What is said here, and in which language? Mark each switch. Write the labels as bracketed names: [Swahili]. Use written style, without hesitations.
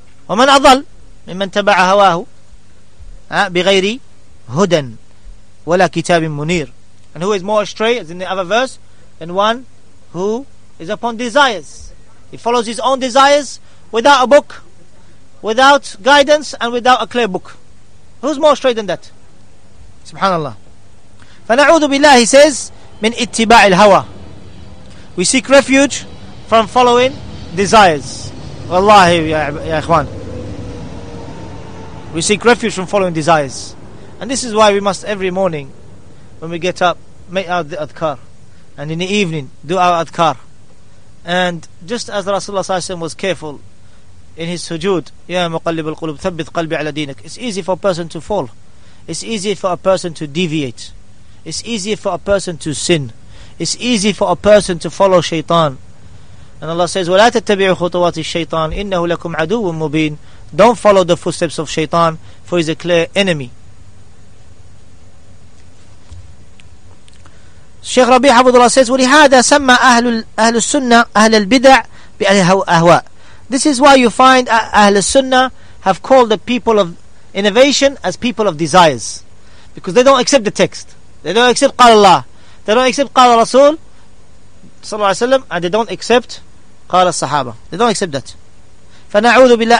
[Arabic] وَمَنْ أَضَلْ مِمَّنْ تَبَعَ هَوَاهُ بِغَيْرِ هُدًى وَلَا كِتَابٍ مُنِيرٍ. [English] And who is more astray, as in the other verse, than one who is upon desires. He follows his own desires without a book, without guidance, and without a clear book. Who's more astray than that? Subhanallah. [Arabic] فَنَعُوذُ بِاللَّهِ, [English] he says, [Arabic] مِنْ اِتِّبَاعِ الْهَوَى. [English] We seek refuge from following desires. Wallahi, ya ikhwan. We seek refuge from following desires. And this is why we must every morning, when we get up, make out the adhkar. And in the evening, do our adhkar. And just as Rasulullah was careful in his sujood, [Arabic] يَا مُقَلِّبَ الْقُلُوبِ ثَبِّتْ قَلْبِ عَلَى دِينَكَ. [English] It's easy for a person to fall. It's easy for a person to deviate. It's easy for a person to sin. It's easy for a person to follow shaitan. [Arabic] And Allah says, وَلَا تَتَّبِعُوا خُطُوَاتِ الشَّيْطَانِ إِنَّهُ لَكُمْ عَدُوٌ مُّبِينٌ. [English] Don't follow the footsteps of shaitan, for he's a clear enemy. Shaykh Rabi Hafidhullah says, [Arabic] وَلِهَذَا سَمَّ أَهْلُ السُّنَّةِ أَهْلَ الْبِدَعِ بِأَهْلِ أَهْوَى. [English] This is why you find أهل السنة have called the people of innovation as people of desires. Because they don't accept the text. They don't accept [Arabic] قَالَ اللَّهِ. [English] They don't accept [Arabic] قَالَ رَسُولِ [English] Sallallahu Alaihi Wasallam, and they don't accept Qala Sahaba. They don't accept that. [Arabic] فَنَعُوذُ بِاللَّهِ.